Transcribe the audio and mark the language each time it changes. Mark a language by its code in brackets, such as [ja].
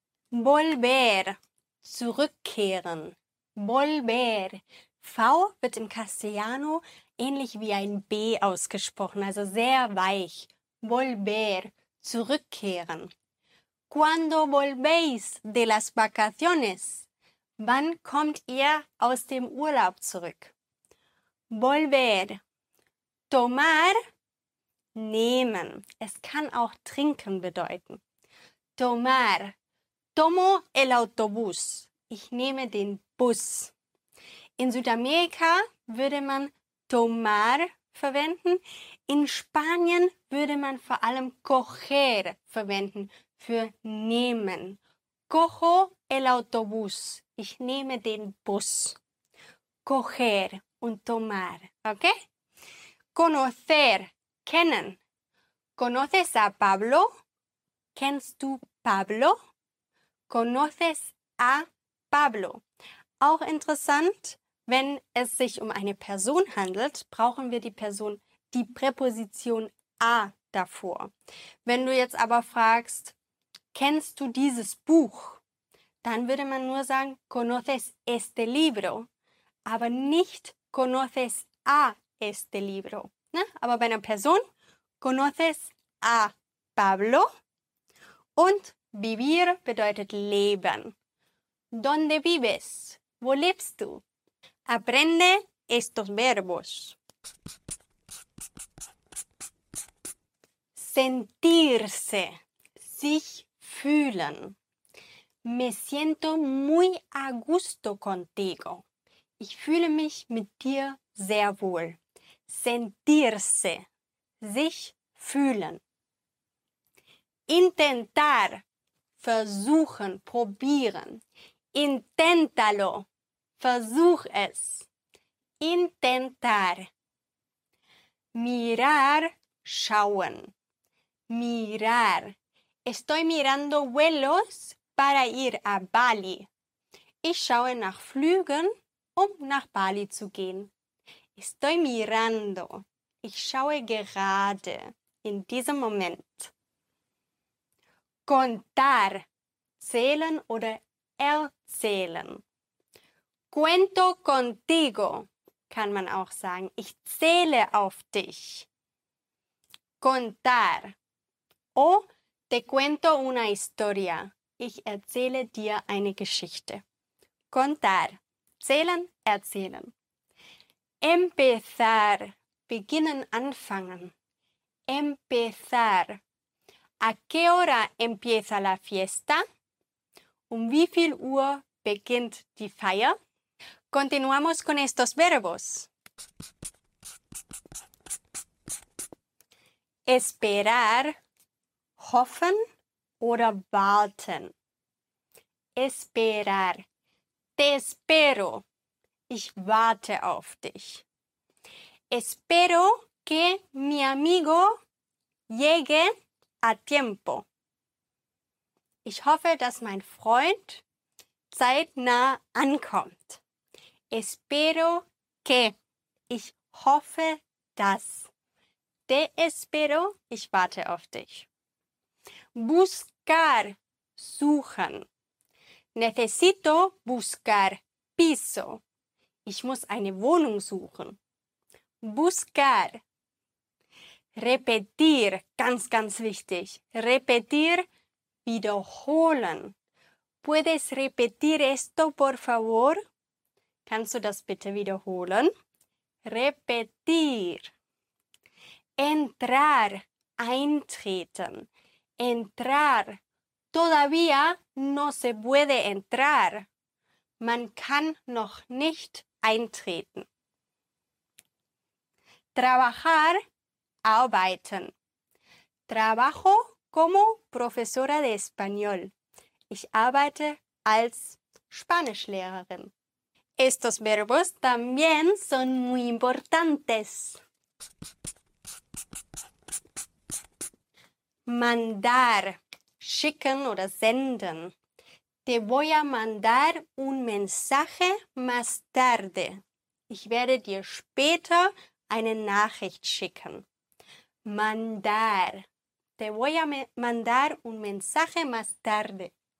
[es] Volver, zurückkehren. Volver. [de] V wird im Castellano ähnlich wie ein B ausgesprochen, also sehr weich. [es] Volver, zurückkehren. ¿Cuándo volvéis de las vacaciones? [de] Wann kommt ihr aus dem Urlaub zurück? Volver. Tomar. Nehmen. Es kann auch trinken bedeuten. Tomar. [es] Tomo el autobús. [de] Ich nehme den Bus. In Südamerika würde man tomar verwenden. In Spanien würde man vor allem coger verwenden für nehmen. [es] Cojo el autobús. [de] Ich nehme den Bus. [es] Coger. [de] Und tomar, okay? Conocer, kennen. [es] ¿Conoces a Pablo? [de] ¿Kennst du Pablo? [es] ¿Conoces a Pablo? [de] Auch interessant, wenn es sich um eine Person handelt, brauchen wir die Person, die Präposition a davor. Wenn du jetzt aber fragst, kennst du dieses Buch? Dann würde man nur sagen, [es] ¿conoces este libro? [de] Aber nicht [es] ¿conoces a este libro? [de] ¿No? Aber bei einer Person, [es] ¿conoces a Pablo? [de] Und vivir bedeutet leben. [es] ¿Dónde vives? [de] ¿Wo lebst du? [es] Aprende estos verbos. [de] Sentirse. Sich fühlen. [es] Me siento muy a gusto contigo. [de] Ich fühle mich mit dir sehr wohl. Sentirse. Sich fühlen. Intentar. Versuchen, probieren. Inténtalo. Versuch es. [es] Intentar. Mirar. Schauen. Mirar. Estoy mirando vuelos para ir a Bali. [de] Ich schaue nach Flügen, um nach Bali zu gehen. [es] Estoy mirando. [de] Ich schaue gerade. In diesem Moment. Contar. Zählen oder erzählen. [es] Cuento contigo. [de] Kann man auch sagen. Ich zähle auf dich. Contar. [es] O te cuento una historia. [de] Ich erzähle dir eine Geschichte. Contar. Zählen, erzählen. Empezar. Beginnen, anfangen. [es] Empezar. ¿A qué hora empieza la fiesta? [de] Wie viel Uhr beginnt die Feier? [es] Continuamos con estos verbos. [de] Esperar, hoffen oder warten. [es] Esperar. Te espero. [de] Ich warte auf dich. [es] Espero que mi amigo llegue a tiempo. [de] Ich hoffe, dass mein Freund zeitnah ankommt. [es] Espero que. [de] Ich hoffe, dass. [es] Te espero. [de] Ich warte auf dich. Buscar. Suchen. [es] Necesito buscar piso. [de] Ich muss eine Wohnung suchen. [es] Buscar. Repetir. [de] Ganz, ganz wichtig. Repetir. Wiederholen. [es] ¿Puedes repetir esto, por favor? [de] ¿Kannst du das bitte wiederholen? [es] Repetir. Entrar. [de] Eintreten. Entrar. [es] Todavía no se puede entrar. [de] Man kann noch nicht eintreten. [es] Trabajar. Arbeiten. Trabajo. Como profesora de español. [de] Ich arbeite als Spanischlehrerin. [es] Estos verbos también son muy importantes. [de] Mandar. Schicken oder senden. [es] Te voy a mandar un mensaje más tarde. [de] Ich werde dir später eine Nachricht schicken. [es] Mandar. Te voy a mandar un mensaje más tarde.